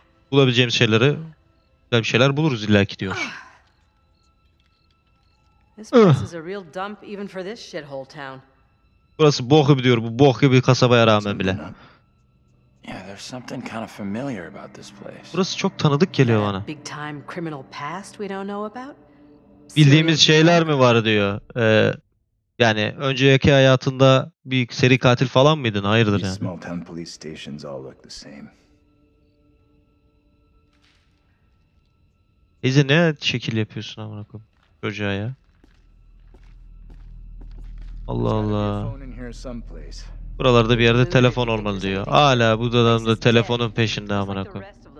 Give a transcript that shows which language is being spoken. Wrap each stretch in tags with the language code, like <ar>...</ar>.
<tr>Bulabileceğimiz şeyleri, güzel bir şeyler buluruz illaki diyor.</tr> <en>This place is a real dump even for this shithole town.</en> <tr>Burası boh gibi diyor, bu boh gibi kasabaya rağmen bile.</tr> <en>Yeah, there's something kind of familiar about this place.</en> <tr>Burası çok tanıdık geliyor bana.</tr> <en>Big time criminal past we don't know about.</en> <tr>Bildiğimiz şeyler mi var diyor. Yani önceki hayatında bir seri katil falan mıydın? Hayırdır yani.</tr> <en>Small town police stations all look the same.</en> <tr>Ezi ne şekil yapıyorsun amına koyayım çocuğa ya? Allah Allah. Buralarda bir yerde telefon olmalı diyor. Hala bu adam da telefonun peşinde amına koyayım.</tr>